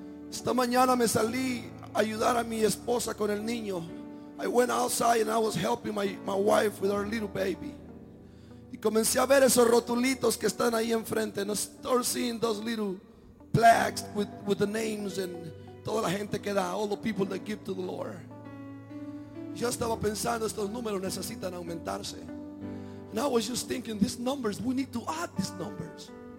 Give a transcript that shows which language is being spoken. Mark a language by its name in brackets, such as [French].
[Spanish] Esta mañana me salí a ayudar a mi esposa con el niño. [English] I went outside and I was helping my wife with our little baby. [Spanish] Y comencé a ver esos rotulitos que están ahí enfrente. [English] And I started seeing those little plaques with the names and [Spanish] toda la gente que da, [English] all the people that give to the Lord. [Spanish] Yo estaba pensando, estos números necesitan aumentarse. [English] And I was just thinking, these numbers, we need to add these numbers.